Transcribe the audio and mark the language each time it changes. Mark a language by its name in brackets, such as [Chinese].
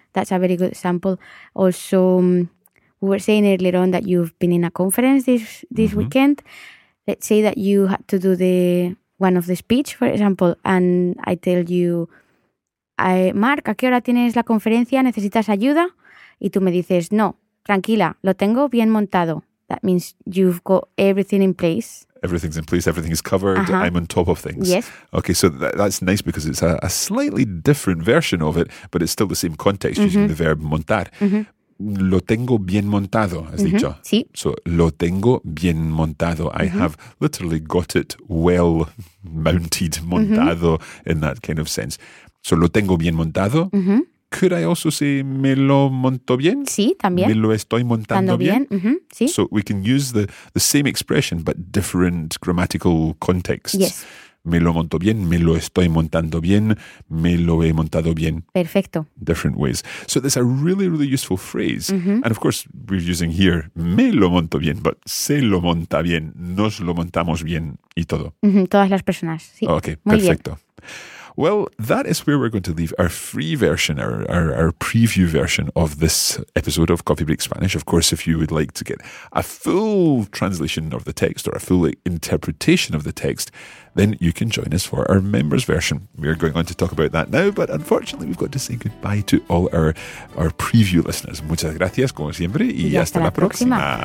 [English] That's a very good example. Also, we were saying earlier on that you've been in a conference this mm-hmm. weekend. Let's say that you had to do one of the speech, for example, and I tell you, Mark, [Spanish] ¿a qué hora tienes la conferencia? ¿Necesitas ayuda? Y tú me dices, no, tranquila, lo tengo bien montado. [English] That means you've got everything in place. Everything's in place, everything is covered, uh-huh. I'm on top of things. Yes. Okay, so that's nice because it's a slightly different version of it, but it's still the same context, mm-hmm. using the verb montar. Mm-hmm. [Spanish] Lo tengo bien montado, has mm-hmm. dicho. Sí. So, lo tengo bien montado. [English] Mm-hmm. I have literally got it well mounted, montado, mm-hmm. in that kind of sense. [Spanish] So, lo tengo bien montado. Mm-hmm. [English] Could I also say, [Spanish] me lo monto bien? Sí, también. Me lo estoy montando bien. Mm-hmm. Sí. [English] So, we can use the same expression, but different grammatical contexts. Yes. [Spanish] me lo monto bien, me lo estoy montando bien, me lo he montado bien. Perfecto. [English] Different ways. So that's a really, really useful phrase. [Spanish] Mm-hmm. [English] And of course, we're using here, [Spanish] me lo monto bien, but se lo monta bien, nos lo montamos bien y todo. Mm-hmm. Todas las personas, sí. Okay, muy perfecto. Bien. [English] Well, that is where we're going to leave our free version, our preview version of this episode of Coffee Break Spanish. Of course, if you would like to get a full translation of the text or a full interpretation of the text, then you can join us for our members' version. We're going on to talk about that now, but unfortunately, we've got to say goodbye to all our preview listeners. [Spanish] Muchas gracias, como siempre, y hasta la próxima.